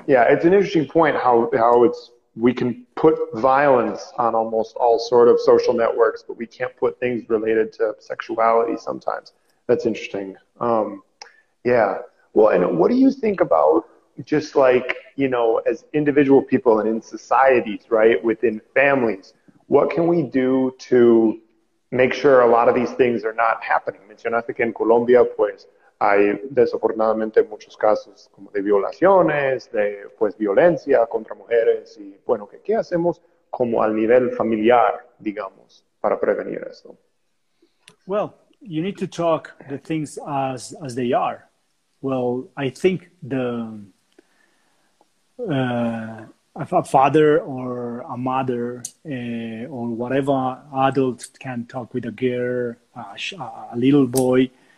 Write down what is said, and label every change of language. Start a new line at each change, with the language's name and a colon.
English: Yeah, it's an interesting point how it's we can put violence on almost all sort of social networks, but we can't put things related to sexuality sometimes. That's interesting. Well, and what do you think about just like, you know, as individual people and in societies, right, within families, what can we do to make sure a lot of these things are not happening?
Spanish: Mencionaste que en Colombia, pues, hay desafortunadamente muchos casos como de violaciones, de pues violencia contra mujeres y bueno, ¿qué hacemos como al nivel familiar, digamos, para prevenir esto?
English: Well, you need to talk the things as they are. Well, I think the a father or a mother or whatever adult can talk with a girl, a little boy.